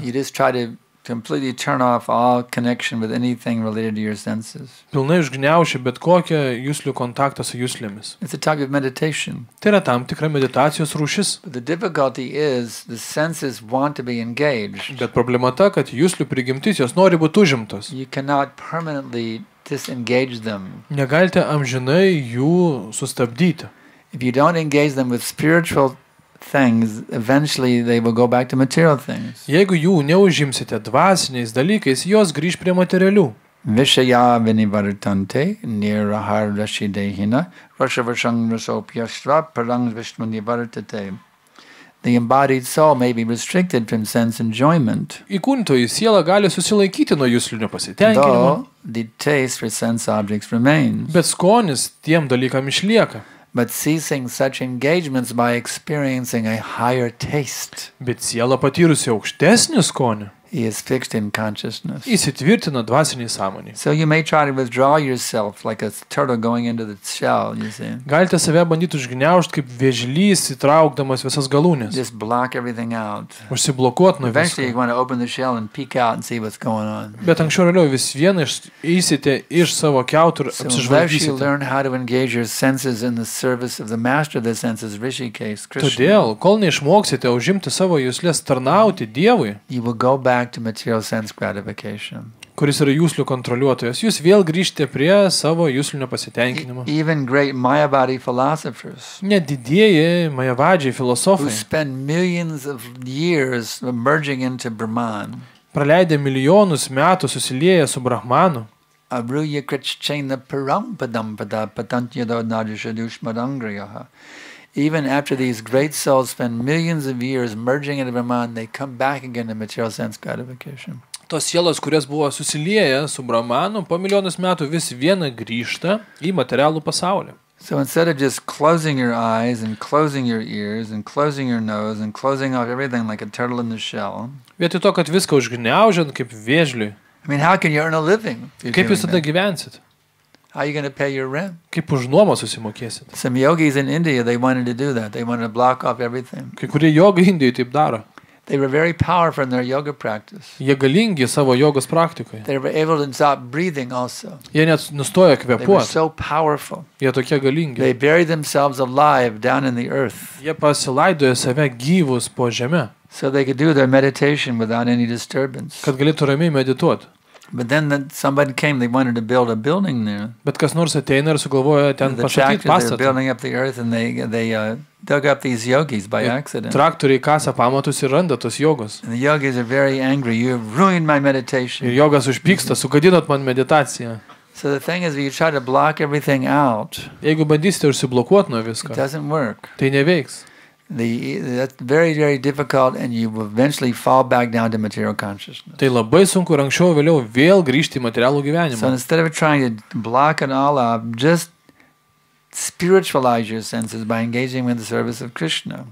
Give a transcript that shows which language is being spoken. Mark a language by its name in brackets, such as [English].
[English] You just try to completely turn off all connection with anything related to your senses. [Lithuanian] Pilnai užgniauši bet kokią juslių kontaktą su juslėmis. [English] It's a type of meditation. [Lithuanian] Tai yra tam tikra meditacijos rūšis. [English] But the difficulty is the senses want to be engaged. [Lithuanian] Bet problema ta, kad juslių prigimtis jos nori būti užimtos. [English] You cannot permanently disengage them. [Lithuanian] Negalite amžinai jų sustabdyti. [English] If you don't engage them with spiritual things, eventually they will go back to material things. [Lithuanian] Jeigu jų neužimsite dvasiniais dalykais, jos grįš prie materialių. [Sanskrit] Vishaya vinivartante nirahar rashidehina rashavashang rasopyashtra parang vishmanivartate. [English] The embodied soul may be restricted from sense enjoyment. [Lithuanian] Įkūnytoji siela gali susilaikyti nuo juslinio pasitenkinimo. [English] The taste for sense objects remains. [Lithuanian] Bet skonis tiem dalykam išlieka. [English] But ceasing such engagements by experiencing a higher taste. [Lithuanian] Bet siela patyrusi aukštesnį skonį. [English] Is fixed in consciousness. [Lithuanian] Įsitvirtina dvasinį sąmonį. [English] So you may try to withdraw yourself like a turtle going into the shell, you see. [Lithuanian] Galite save bandyti užgniaužti kaip vėžlys įtraukdamas visas galūnes. [English] Just block everything out. [Lithuanian] Užsiblokuot nuo visko. [English] Eventually you want to open the shell and peek out and see what's going on. [Lithuanian] Bet anksčiau vėliau vis viena išeisite iš savo kiautų ir apsižvalgysite. [English] So you learn how to engage your senses in the service of the master of the senses, Rishikesh Krishna. [Lithuanian] Todėl, kol neišmoksite užimti savo jusles tarnauti Dievui, [English] you will go back to material sense gratification. [Lithuanian] Kuris yra juslių kontroliuotojas, jūs vėl grįžtate prie savo juslinio pasitenkinimo. [English] Even great mayavadi philosophers. [Lithuanian] Net didieji mayavadžiai filosofai. [English] Who spend millions of years merging into Brahman. [Lithuanian] Praleidę milijonus metų susilieję su Brahmanu. [Sanskrit] Abruya krichchena parampadam pada patantyado nadishadushmadangriha. [English] Even after these great souls spend millions of years merging into Brahman, they come back again to material sense gratification. [Lithuanian] Tos sielos, kurios buvo susilieję su Brahmanu, po milijonus metų vis viena grįžta į materialų pasaulį. [English] So instead of just closing your eyes and closing your ears and closing your nose and closing off everything like a turtle in the shell. [Lithuanian] Vietoj to, kad viską užgniaužiant kaip vėžliui. [English] I mean, how can you earn a living? [Lithuanian] Kaip jūs tada gyvensit? [English] How are you going to pay your rent? [Lithuanian] Kaip už nuomą susimokėsit? [English] Some yogis in India, they wanted to do that. They wanted to block off everything. [Lithuanian] Kai kurie jogai Indijoje taip daro. [English] They were very powerful in their yoga practice. [Lithuanian] Jie galingi savo jogos praktikoje. [English] They were able to stop breathing also. [Lithuanian] Jie net nustojo kvėpuoti. [English] They were so powerful. [Lithuanian] Jie tokie galingi. [English] They buried themselves alive down in the earth. [Lithuanian] Jie pasilaidojo save gyvus po žeme. [English] So they could do their meditation without any disturbance. [Lithuanian] Kad galėtų ramiai medituoti. [English] But then somebody came, they wanted to build a building there. [Lithuanian] Bet kas nors ateina ir sugalvoja ten pastatyti pastatą. [English] They're building up the earth and they dug up these yogis by accident. [Lithuanian] Traktoriai kasa pamatus ir randa tos jogos. [English] And the yogis are very angry. You have ruined my meditation. [Lithuanian] Ir jogas užpyksta, sugadinot man meditaciją. [English] So the thing is, if you try to block everything out, [Lithuanian] jeigu bandysite užsiblokuot nuo visko, [English] it doesn't work. [Lithuanian] Tai neveiks. [English] That's very, very difficult, and you will eventually fall back down to material consciousness. [Lithuanian] Tai labai sunku, anksčiau vėliau vėl grįžti į materialų gyvenimą. [English] So instead of trying to block it all up, just spiritualize your senses by engaging with the service of Krishna.